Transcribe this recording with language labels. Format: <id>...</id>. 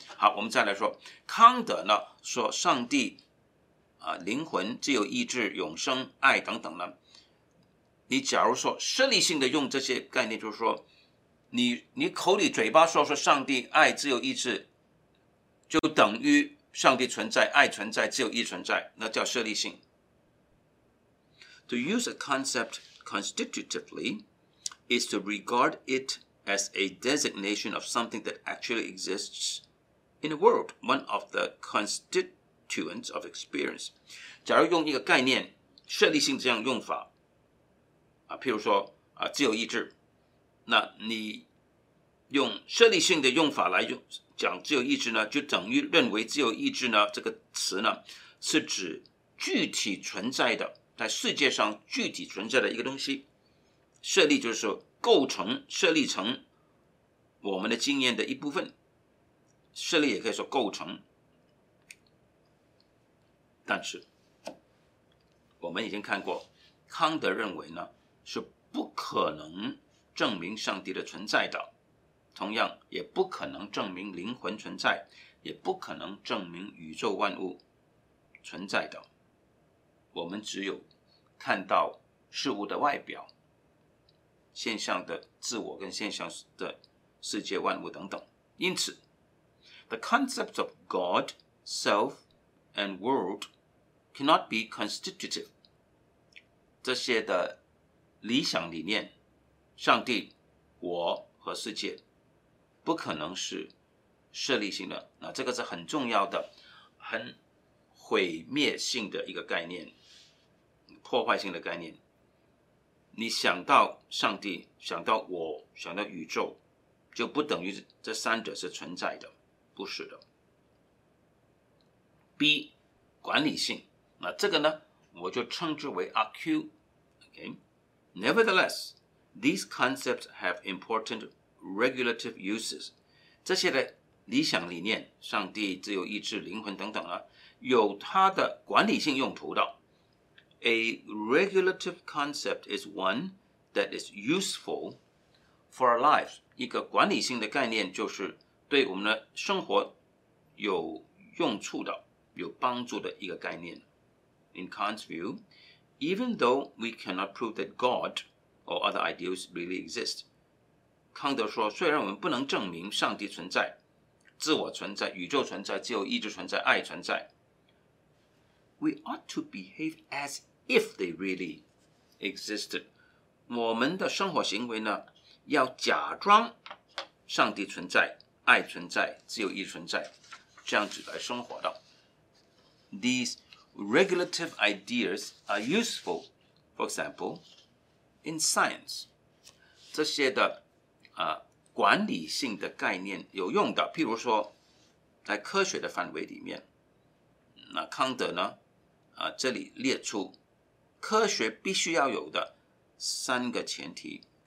<zh>好，我们再来说，康德呢说上帝啊，灵魂、自由意志、永生、爱等等呢，你假如说设立性的用这些概念，就是说你口里嘴巴说上帝爱、自由意志，就等于上帝存在，爱存在，自由意存在，那叫设立性。</zh> <en>To use a concept constitutively is to regard it as a designation of something that actually exists in the world, one of the constituents of experience.</en> <zh>假如用一个概念，设立性这样用法，啊，譬如说啊，自由意志，那你用设立性的用法来用讲自由意志呢，就等于认为自由意志呢这个词呢是指具体存在的，在世界上具体存在的一个东西。设立就是说构成，设立成我们的经验的一部分，设立也可以说构成。但是我们已经看过，康德认为呢是不可能证明上帝的存在的，同样也不可能证明灵魂存在，也不可能证明宇宙万物存在的。我们只有看到事物的外表，现象的自我跟现象的世界万物等等。因此</zh> <en>The concepts of God, self and world cannot be constitutive.</en> <zh>这些的理想理念，上帝、我和世界，不可能是设立性的。那这个是很重要的，很毁灭性的一个概念，破坏性的概念。你想到上帝，想到我，想到宇宙，就不等于这三者是存在的，不是的。 B， 管理性，那这个呢，我就称之为 RQ。</zh> <en>Okay? Nevertheless, these concepts have important regulative uses.</en> <zh>这些的理想理念，上帝、自由意志、灵魂等等啊，有它的管理性用途的。</zh> <en>A regulative concept is one that is useful for our lives.</en> <zh>一个管理性的概念就是对我们的生活有用处的、有帮助的一个概念。</zh> <en>In Kant's view, even though we cannot prove that God or other ideals really exist,</en> <zh>康德说，虽然我们不能证明上帝存在、自我存在、宇宙存在、自由意志存在、爱存在，</zh> <en>we ought to behave as if they really existed.</en> <zh>我们的生活行为呢，要假装上帝存在、爱存在、自由意存在，这样子来生活的。</zh> <en>These regulative ideas are useful, for example, in science.</en> <zh>这些的管理性的概念有用的，譬如说在科学的范围里面，那康德呢这里列出科学必须要有的三个前提。</zh>